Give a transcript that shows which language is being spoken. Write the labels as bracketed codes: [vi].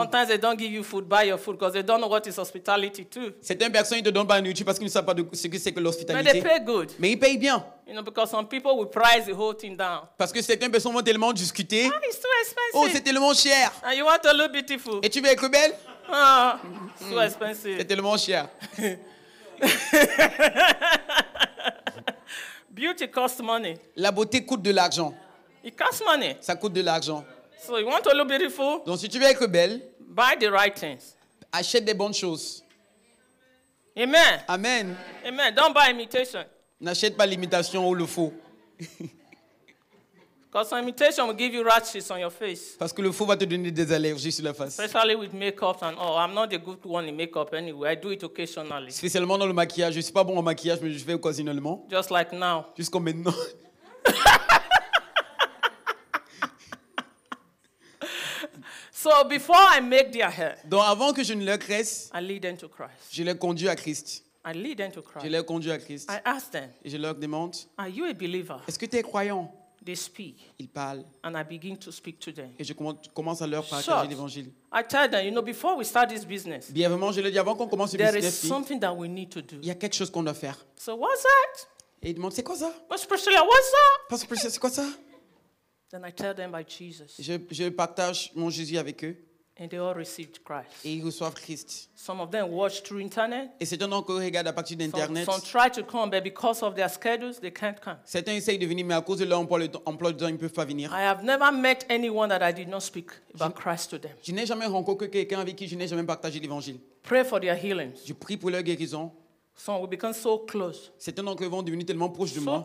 [en] Sometimes they don't give you food, buy your food, because they don't know what is hospitality too. [fr] Certaines personnes ils te donnent pas une nourriture parce qu'ils ne savent pas ce que c'est que l'hospitalité. [en] But they pay good. [fr] Mais ils payent bien. [en] You know, because some people will price the whole thing down. [fr] Parce que certaines personnes vont tellement discuter. [en] Oh, it's too expensive. [fr] Oh, c'est tellement cher. [en] And you want to look beautiful. [fr] Et tu veux être belle? [en] Oh, too expensive. [fr] C'est tellement cher. [en] Beauty costs money. [fr] La beauté coûte de l'argent. [en] It costs money. [fr] Ça coûte de l'argent. [en] So you want to look beautiful? [fr] Donc si tu veux être belle, [en] buy the right things. [fr] Achète des bonnes choses. [en] Amen. [fr] Amen. [en] Amen. Don't buy imitation. [fr] N'achète pas l'imitation ou le faux. [en] Because an imitation will give you rashes on your face. [fr] Parce que le faux va te donner des allergies sur la face. [en] Especially with makeup and all. I'm not a good one in makeup anyway. I do it occasionally. [fr] Spécialement dans le maquillage. Je ne suis pas bon en maquillage, mais je fais occasionnellement. [en] Just like now. [fr] Jusqu'à maintenant. [en] So before I make their hair. [fr] Donc avant que je ne leur crée. [en] I lead them to Christ. [fr] Je les conduis à Christ. [en] I lead them to Christ. [fr] Je les conduis à Christ. [en] I ask them. [fr] Et je leur demande. [en] Are you a believer? [fr] Est-ce que tu es croyant? [en] They speak. [fr] Ils parlent. [en] And I begin to speak to them. [fr] Et je commence à leur partager l'évangile. [en] I tell them, you know, before we start this business. [fr] Bienvenant, je leur dis avant qu'on commence ce business. [en] There is something that we need to do. [fr] Il y a quelque chose qu'on doit faire. [en] So what's that? [fr] Et ils demandent c'est quoi ça? [en] Pastor Priscilla, what's that? [fr] Pastor Priscilla, c'est quoi ça? [en] Then I tell them about Jesus. [fr] Je partage mon Jésus avec eux. [en] And they all received Christ. [fr] Et ils reçoivent Christ. [en] Some of them watched through internet. [fr] Et certains d'entre eux regardent à partir d'internet. [en] Some try to come, but because of their schedules, they can't come. [fr] Certains essayent de venir, mais à cause de leur emploi du temps, ils ne peuvent pas venir. [en] I have never met anyone that I did not speak about Christ to them. [fr] Je n'ai jamais rencontré quelqu'un avec qui je n'ai jamais partagé l'évangile. [en] Pray for their healings. [fr] Je prie pour leur guérison. [en] Some will become so close. [fr] Certains d'entre eux vont devenir tellement proches de moi.